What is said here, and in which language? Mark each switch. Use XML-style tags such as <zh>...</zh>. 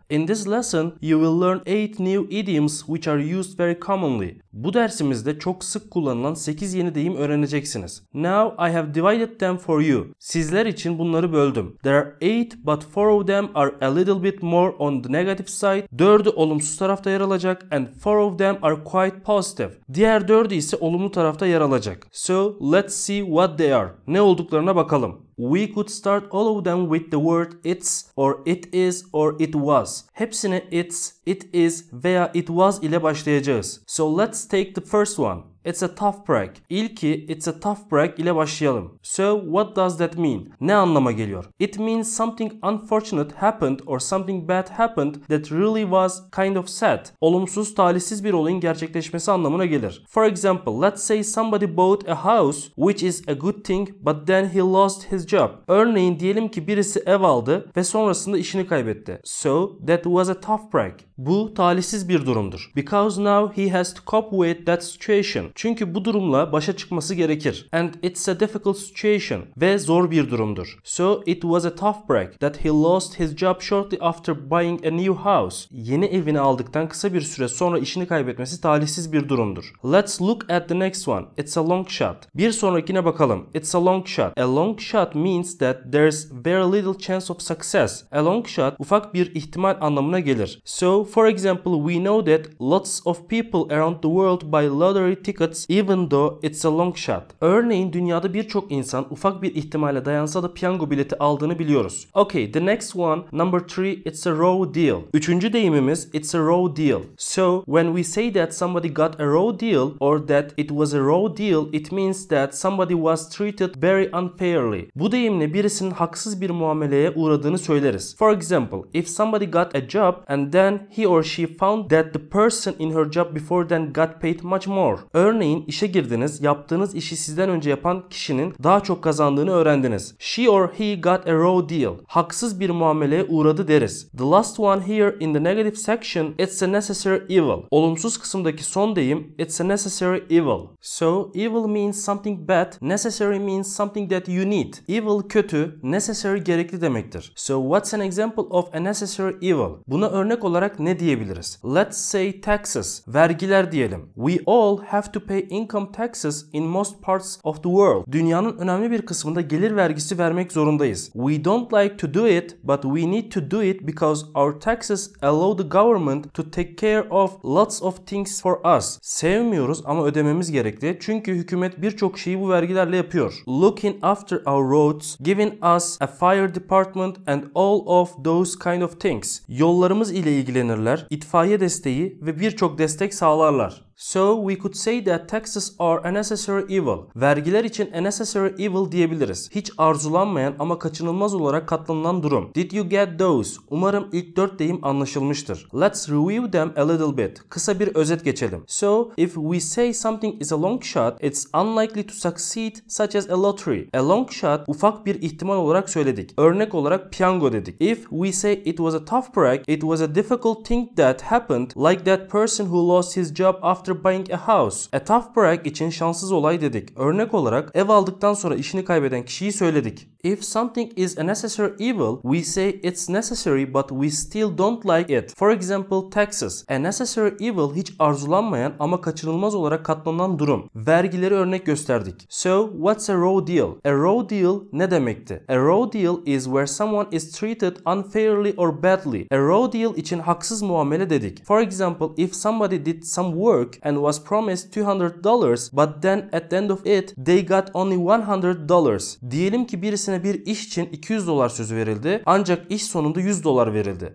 <en>In this lesson, you will learn 8 new idioms which are used very commonly.</en> <tr>Bu dersimizde çok sık kullanılan 8 yeni deyim öğreneceksiniz.</tr> <en>Now, I have divided them for you.</en> <tr>Sizler için bunları böldüm.</tr> <en>There are 8, but 4 of them are a little bit more on the negative side.</en> <tr>4'ü olumsuz tarafta yer alacak</tr> <en>and 4 of them are quite positive.</en> <tr>Diğer 4'ü ise olumlu tarafta yer alacak.</tr> <en>So, let's see what they are.</en> <tr>Ne olduklarına bakalım.</tr> <en>We could start all of them with the word it's, or it is, or it was.</en> <tr>Hepsine it's, it is veya it was ile başlayacağız.</tr> <en>So let's take the first one. It's a tough break.</en> <tr>İlki it's a tough break ile başlayalım.</tr> <en>So what does that mean?</en> <tr>Ne anlama geliyor?</tr> <en>It means something unfortunate happened or something bad happened that really was kind of sad.</en> <tr>Olumsuz, talihsiz bir olayın gerçekleşmesi anlamına gelir.</tr> <en>For example, let's say somebody bought a house which is a good thing but then he lost his job.</en> <tr>Örneğin diyelim ki birisi ev aldı ve sonrasında işini kaybetti.</tr> <en>So that was a tough break.</en> <tr>Bu talihsiz bir durumdur.</tr> <en>Because now he has to cope with that situation.</en> <tr>Çünkü bu durumla başa çıkması gerekir.</tr> <en>And it's a difficult situation.</en> <tr>Ve zor bir durumdur.</tr> <en>So it was a tough break that he lost his job shortly after buying a new house.</en> <tr>Yeni evini aldıktan kısa bir süre sonra işini kaybetmesi talihsiz bir durumdur.</tr> <en>Let's look at the next one. It's a long shot.</en> <tr>Bir sonrakine bakalım.</tr> <en>It's a long shot. A long shot means that there's very little chance of success.</en> <tr>A long shot ufak bir ihtimal anlamına gelir.</tr> <en>So for example we know that lots of people around the world buy lottery tickets even though it's a long shot.</en> <tr>Örneğin dünyada birçok insan ufak bir ihtimale dayansa da piyango bileti aldığını biliyoruz.</tr> <en>Okay, the next one, number 3, it's a raw deal.</en> <tr>Üçüncü deyimimiz</tr> <en>it's a raw deal. So, when we say that somebody got a raw deal or that it was a raw deal, it means that somebody was treated very unfairly.</en> <tr>Bu deyimle birisinin haksız bir muameleye uğradığını söyleriz.</tr> <en>For example, if somebody got a job and then he or she found that the person in her job before then got paid much more.</en> <tr>Örneğin işe girdiniz, yaptığınız işi sizden önce yapan kişinin daha çok kazandığını öğrendiniz.</tr> <en>She or he got a raw deal.</en> <tr>Haksız bir muameleye uğradı deriz.</tr> <en>The last one here in the negative section, it's a necessary evil.</en> <tr>Olumsuz kısımdaki son deyim,</tr> <en>it's a necessary evil. So, evil means something bad, necessary means something that you need.</en> <tr>Evil kötü, necessary gerekli demektir.</tr> <en>So, what's an example of a necessary evil?</en> <tr>Buna örnek olarak ne diyebiliriz?</tr> <en>Let's say taxes,</en> <tr>vergiler diyelim.</tr> <en>We all have to pay income taxes in most parts of the world.</en> <tr>Dünyanın önemli bir kısmında gelir vergisi vermek zorundayız.</tr> <en>We don't like to do it, but we need to do it because our taxes allow the government to take care of lots of things for us.</en> <tr>Sevmiyoruz ama ödememiz gerekli çünkü hükümet birçok şeyi bu vergilerle yapıyor.</tr> <en>Looking after our roads, giving us a fire department and all of those kind of things.</en> <tr>Yollarımız ile ilgilenirler, itfaiye desteği ve birçok destek sağlarlar.</tr> <en>So we could say that taxes are a necessary evil.</en> <tr>Vergiler için a necessary evil diyebiliriz. Hiç arzulanmayan ama kaçınılmaz olarak katlanılan durum.</tr> <en>Did you get those?</en> <tr>Umarım ilk 4 deyim anlaşılmıştır.</tr> <en>Let's review them a little bit.</en> <tr>Kısa bir özet geçelim.</tr> <en>So if we say something is a long shot, it's unlikely to succeed such as a lottery.</en> <tr>A long shot ufak bir ihtimal olarak söyledik. Örnek olarak piyango dedik.</tr> <en>If we say it was a tough break, it was a difficult thing that happened like that person who lost his job after buying a house.</en> <tr>A tough break için şanssız olay dedik. Örnek olarak ev aldıktan sonra işini kaybeden kişiyi söyledik.</tr> <en>If something is a necessary evil, we say it's necessary but we still don't like it. For example, taxes.</en> <tr>A necessary evil hiç arzulanmayan ama kaçınılmaz olarak katlanılan durum. Vergileri örnek gösterdik.</tr> <en>So, what's a raw deal?</en> <tr>A raw deal ne demekti?</tr> <en>A raw deal is where someone is treated unfairly or badly.</en> <tr>A raw deal için haksız muamele dedik.</tr> <en>For example, if somebody did some work and was promised $200 but then at the end of it they got only $100.</en> <tr>Diyelim ki birisi bir iş için $200 sözü verildi ancak iş sonunda $100 verildi.</tr>